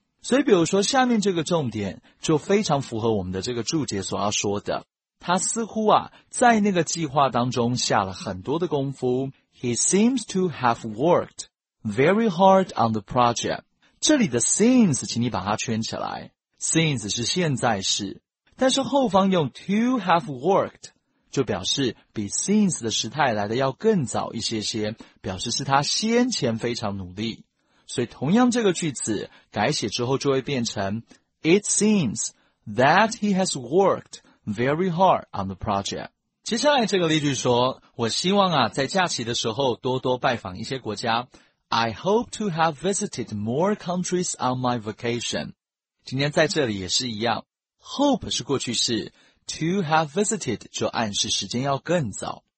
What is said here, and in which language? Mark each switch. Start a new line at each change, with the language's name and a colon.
Chinese: 所以比如说下面这个重点就非常符合我们的这个注解所要说的，他似乎啊在那个计划当中下了很多的功夫，
English: He seems to have worked very hard on the project。
Chinese: 这里的 since 请你把它圈起来， since 是现在式，但是后方用 to have worked 就表示比 since 的时态来得要更早一些些，表示是他先前非常努力。所以同样这个句子改写之后就会变成
English: It seems that he has worked very hard on the project。
Chinese: 接下来这个例句说，我希望啊在假期的时候多多拜访一些国家，
English: I hope to have visited more countries on my vacation.
Chinese: 今天在这里也是一样， hope 是过去式， to have visited 就暗示时间要更早。